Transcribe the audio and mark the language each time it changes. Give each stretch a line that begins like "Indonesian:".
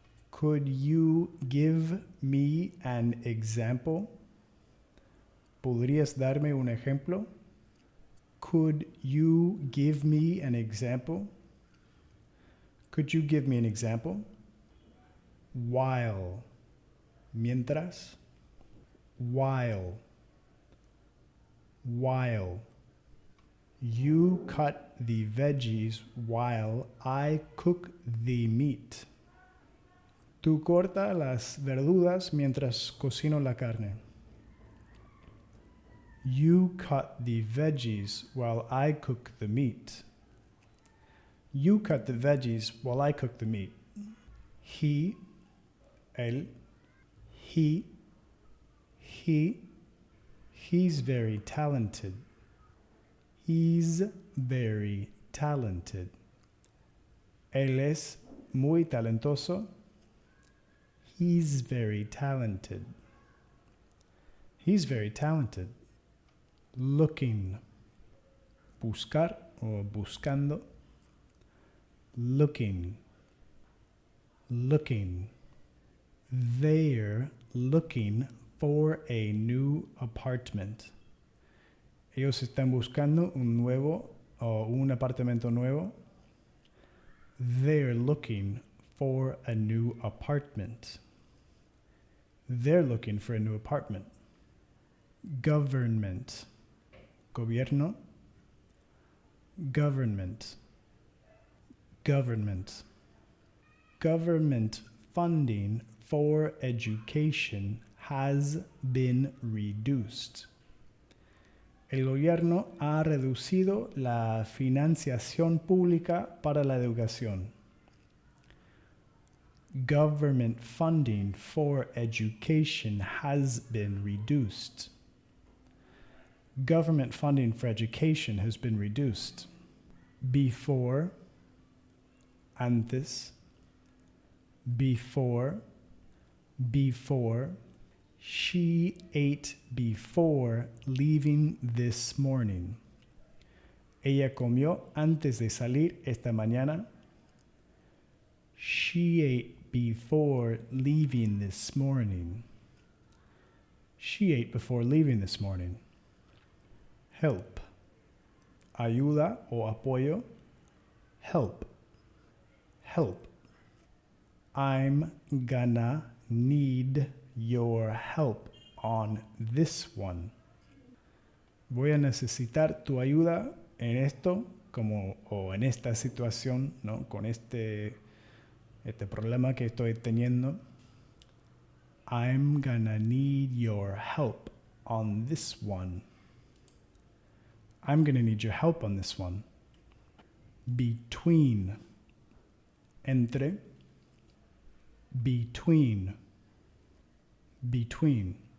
English: Could you give me an example?
Spanish: ¿Podrías darme un ejemplo?
English: Could you give me an example? Could you give me an example? While.
Spanish: Mientras.
English: While. While. You cut the veggies while I cook the meat.
Spanish: Tú corta las verduras mientras cocino la carne.
English: You cut the veggies while I cook the meat. You cut the veggies while I cook the meat. He,
Spanish: él,
English: he, he's very talented. He's very talented.
Spanish: Él es muy talentoso.
English: He's very talented. He's very talented. Looking.
Spanish: Buscar o buscando.
English: Looking. Looking. They're looking for a new apartment.
Spanish: Ellos están buscando un nuevo o un apartamento nuevo.
English: They're looking for a new apartment. They're looking for a new apartment. Government.
Spanish: Gobierno.
English: Government. Government. Government funding for education has been reduced.
Spanish: El gobierno ha reducido la financiación pública para la educación.
English: Government funding for education has been reduced. Government funding for education has been reduced. Before,
Spanish: antes,
English: before, before, she ate before leaving this morning.
Spanish: Ella comió antes de salir esta mañana.
English: She ate before leaving this morning. She ate before leaving this morning. Help.
Spanish: Ayuda o apoyo.
English: Help. Help. I'm gonna need your help on this one.
Spanish: Voy a necesitar tu ayuda en esto, como o en esta situación, ¿no? Con este problema que estoy teniendo.
English: I'm gonna need your help on this one. I'm gonna need your help on this one. Between.
Spanish: Entre.
English: Between. Between.